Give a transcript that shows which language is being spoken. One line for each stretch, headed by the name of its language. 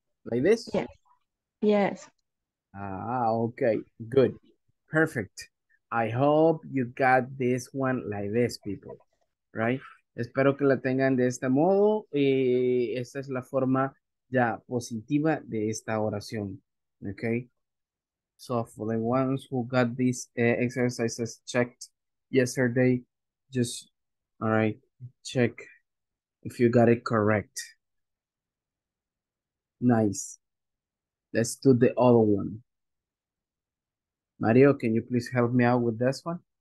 English: Like this? Yes. Yes. Ah, okay. Good. Perfect. I hope you got this one like this, people, right?
Spanish: Espero que la tengan de este modo. Y esta es la forma ya positiva de esta oración,
English: okay? So for the ones who got these exercises checked yesterday, just, all right, check if you got it correct. Nice. Let's do the other one. Mario, can you please help me out with this one?